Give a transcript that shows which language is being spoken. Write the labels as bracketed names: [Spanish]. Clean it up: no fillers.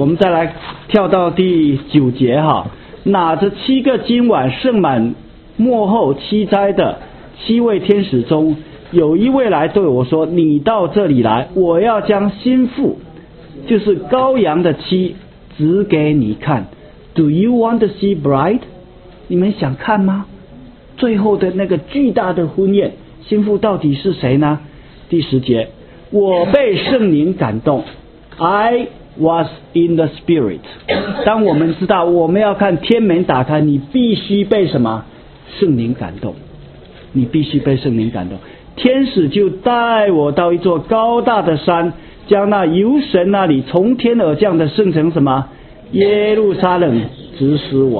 [Chinese] 我们再来跳到第九节哈，拿着七个金碗盛满末后七灾的七位天使中，有一位来对我说：“你到这里来，我要将心腹，就是羔羊的妻，指给你看。 [English] ”Do you want to see bride? [Chinese] 你们想看吗？最后的那个巨大的婚宴，心腹到底是谁呢？第十节，我被圣灵感动， [English] I was in the spirit。 [Chinese] 当我们知道我们要看天门打开，你必须被什么？圣灵感动。你必须被圣灵感动。天使就带我到一座高大的山，将那由神那里从天而降的圣城什么耶路撒冷指示我。